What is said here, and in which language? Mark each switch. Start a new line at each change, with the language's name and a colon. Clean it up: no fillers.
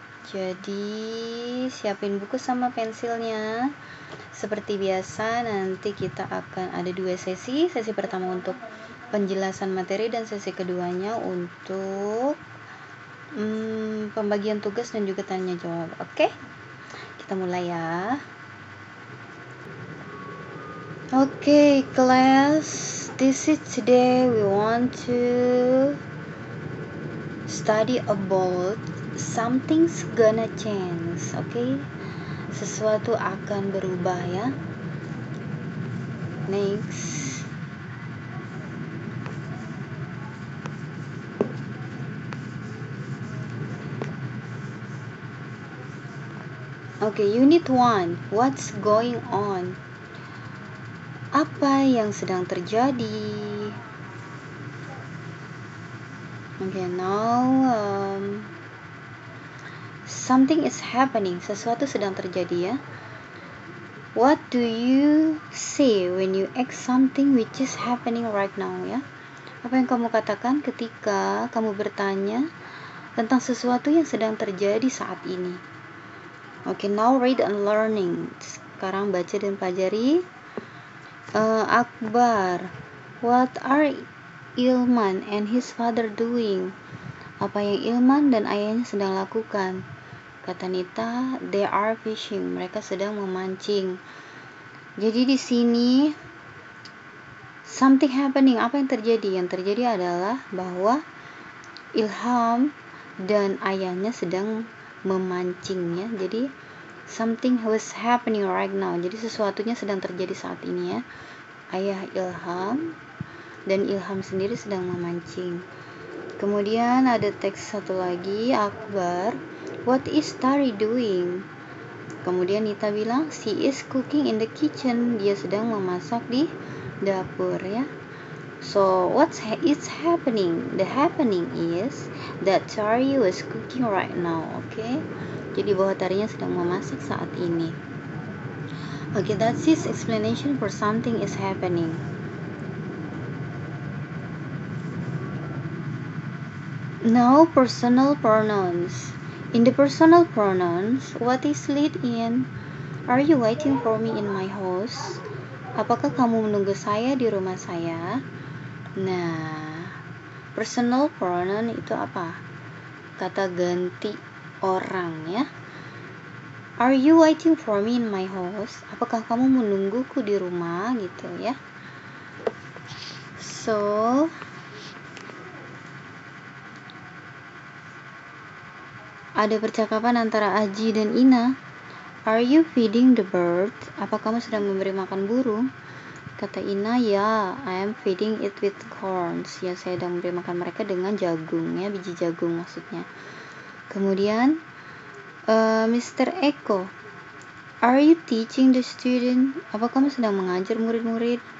Indonesian: Jadi, siapin buku sama pensilnya. Seperti biasa, nanti kita akan ada dua sesi. Sesi pertama untuk penjelasan materi dan sesi keduanya untuk pembagian tugas dan juga tanya jawab. Okay? Kita mulai ya.
English: Okay, class, this is today we want to study about something's gonna change, okay?
Indonesian: Sesuatu akan berubah ya.
English: Next. Okay, unit 1, what's going on?
Indonesian: Apa yang sedang terjadi?
English: Okay, now something is happening.
Indonesian: Sesuatu sedang terjadi ya.
English: What do you say when you ask something which is happening right now ya?
Indonesian: Apa yang kamu katakan ketika kamu bertanya tentang sesuatu yang sedang terjadi saat ini?
English: Okay, now read and learning.
Indonesian: Sekarang baca dan pelajari.
English: Akbar, what are Ilman and his father doing?
Indonesian: Apa yang Ilman dan ayahnya sedang lakukan? Kata Nita,
English: they are fishing.
Indonesian: Mereka sedang memancing. Jadi di sini
English: something happening.
Indonesian: Apa yang terjadi? Yang terjadi adalah bahwa Ilham dan ayahnya sedang memancing ya. Jadi
English: something was happening right now.
Indonesian: Jadi sesuatunya sedang terjadi saat ini ya. Ayah Ilham dan Ilham sendiri sedang memancing. Kemudian ada teks satu lagi, Akbar,
English: what is Tari doing?
Indonesian: Kemudian Nita bilang,
English: she is cooking in the kitchen.
Indonesian: Dia sedang memasak di dapur ya.
English: So what is happening? The happening is that Tari was cooking right now. Okay?
Indonesian: Jadi bahwa Tarinya sedang memasak saat ini.
English: Okay, that's his explanation for something is happening. Now, personal pronouns. In the personal pronouns, what is lead in? Are you waiting for me in my house?
Indonesian: Apakah kamu menunggu saya di rumah saya? Nah, personal pronoun itu apa? Kata ganti orang ya.
English: Are you waiting for me in my house?
Indonesian: Apakah kamu menungguku di rumah gitu ya? So, ada percakapan antara Aji dan Ina.
English: Are you feeding the bird?
Indonesian: Apa kamu sedang memberi makan burung? Kata Ina, ya,
English: I am feeding it with corns.
Indonesian: Ya, saya sedang memberi makan mereka dengan jagung ya, biji jagung maksudnya. Kemudian
English: Mr. Eko, are you teaching the student?
Indonesian: Apa kamu sedang mengajar murid-murid?